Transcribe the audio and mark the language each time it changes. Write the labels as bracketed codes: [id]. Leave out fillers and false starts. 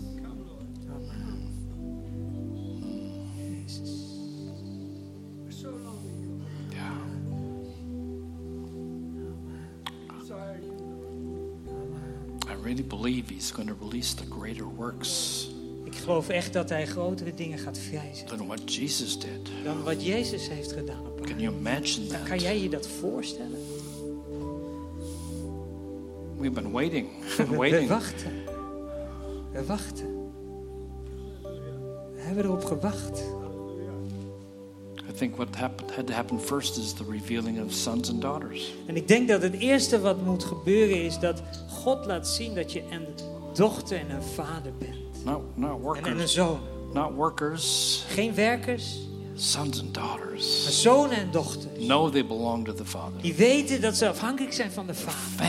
[en] Come, Lord. Amen. Jesus. We're so lonely, Lord. Yeah. Amen. Sorry, Lord. I really believe he's going to release the greater works. [nl] Ik geloof echt dat hij grotere dingen gaat vrijzetten. [en] Than what Jesus did. [nl] Dan wat Jezus heeft gedaan. [en] Can you imagine that? [nl] Kan jij je dat voorstellen? [en] We've been waiting. Waiting. [nl] We wachten. We hebben erop gewacht. [en] I think what had to happen first is the revealing of sons and daughters. [nl] En ik denk dat het eerste wat moet gebeuren is dat God laat zien dat je een dochter en een vader bent. [en] Not workers. [nl] En een zoon. [en] Not workers. [nl] Geen werkers. [en] sons and daughters, [nl] zonen en dochters, [en] know they belong to the Father. [nl] Die weten dat ze afhankelijk zijn van de Vader.